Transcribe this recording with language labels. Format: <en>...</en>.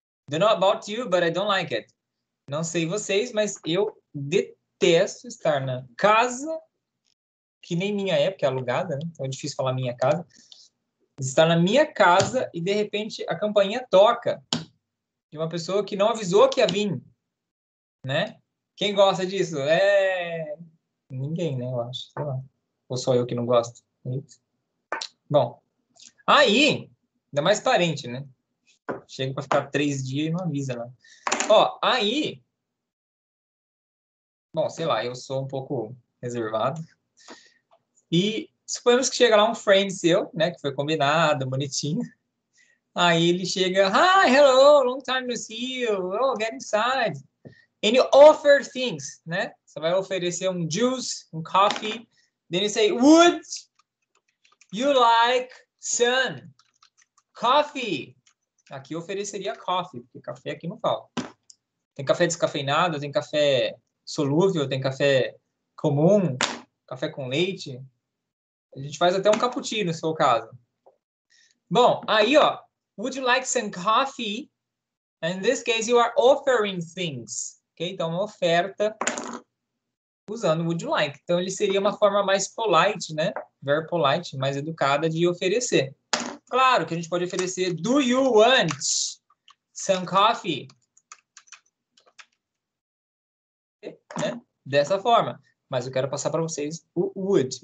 <en>Don't know about you, but I don't like it.</en> <pt>Não sei vocês, mas eu detesto estar na casa, que nem minha é, porque é alugada, né? Então é difícil falar minha casa. Estar na minha casa e, de repente, a campainha toca de uma pessoa que não avisou que ia vir, né? Quem gosta disso? É... Ninguém, né, eu acho. Sei lá. Ou só eu que não gosto. Eita. Bom, aí, ainda mais parente, né? Chega para ficar 3 dias e não avisa lá. Ó, aí... Bom, sei lá, eu sou um pouco reservado. E... Suponhamos que chega lá um friend seu, né? Que foi combinado, bonitinho. Aí ele chega,</pt> <en>hi, hello, long time to see you. Oh, get inside. And you offer things, né?</en> <pt>Você vai oferecer um juice, um coffee.</pt> <en>Then you say, would you like some coffee?</en> <pt>Aqui eu ofereceria coffee, porque café aqui não falta. Tem café descafeinado, tem café solúvel, tem café comum, café com leite. A gente faz até um cappuccino, se for o caso. Bom, aí, ó.</pt> <en>Would you like some coffee? And in this case, you are offering things.</en> <pt>Ok? Então, uma oferta usando would you like. Então, ele seria uma forma mais polite, né? Very polite, mais educada de oferecer. Claro que a gente pode oferecer</pt> <en>do you want some coffee?</en> <pt>Okay? Né? Dessa forma. Mas eu quero passar para vocês o would.</pt>